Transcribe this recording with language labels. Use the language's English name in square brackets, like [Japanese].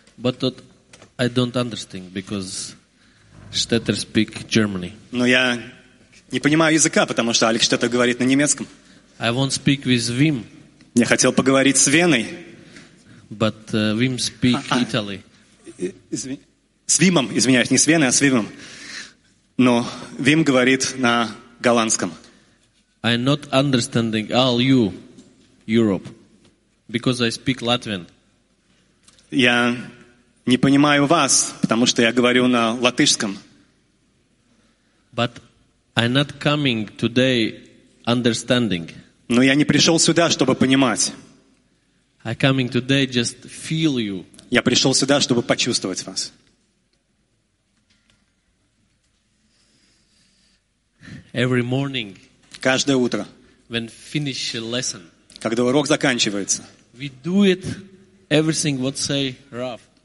[English] But I don't understand because Stetter speak Germany. [Russian] Но я не понимаю языка, потому что Алекс Штеттер говорит на немецком. [English] I want to speak with Wim. [Russian] Я хотел поговорить с Веной. [English] But Wim speak Italy. [Russian] С Вимом, извиняюсь, не с Веной, а с Вимом. Но Вим говорит на голландском. [English] I'm not understanding all you, Europe, because I speak Latvian. [Russian] Я не понимаю вас, потому что я говорю на латышском. [English] But I'm not coming today understanding. [Russian] Но я не пришел сюда, чтобы понимать. [English] I'm coming today just feel you. [Russian] Я пришел сюда, чтобы почувствовать вас. [English] Every morning, [Russian] каждое утро, [English] when finish a lesson, [Russian] когда урок заканчивается, [English] we do it everything what say Rav.